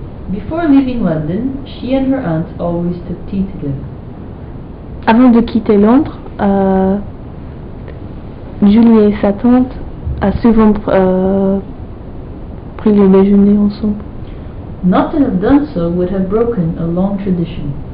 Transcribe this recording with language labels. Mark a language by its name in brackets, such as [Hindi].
[English] Before leaving London, she and her aunt always took tea together. [French] Avant de quitter Londres, Julie et sa tante a souvent pris le déjeuner ensemble. [English] Not to have done so would have broken a long tradition.